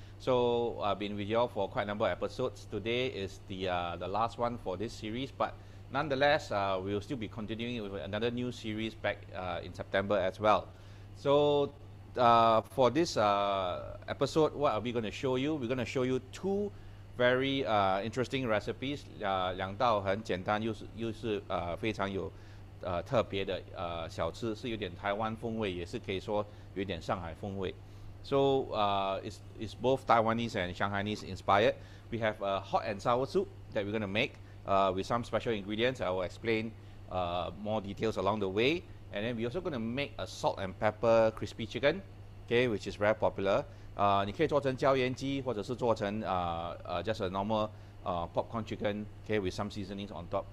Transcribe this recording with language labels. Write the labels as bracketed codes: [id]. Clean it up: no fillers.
[en] So I've been with y'all for quite a number of episodes. Today is the last one for this series, but nonetheless, we'll still be continuing with another new series back in September as well. So for this episode, what are we going to show you? We're going to show you two very interesting recipes. [zh] 两道很简单又是非常有特别的小吃，是有点台湾风味，也是可以说有点上海风味。 [en] So it's both Taiwanese and Shanghainese inspired. We have a hot and sour soup that we're going to make with some special ingredients. I will explain more details along the way. And then we're also going to make a salt and pepper crispy chicken, okay, which is very popular. [zh] 你可以做成椒盐鸡，或者是做成 [en] just a normal popcorn chicken, okay, with some seasonings on top.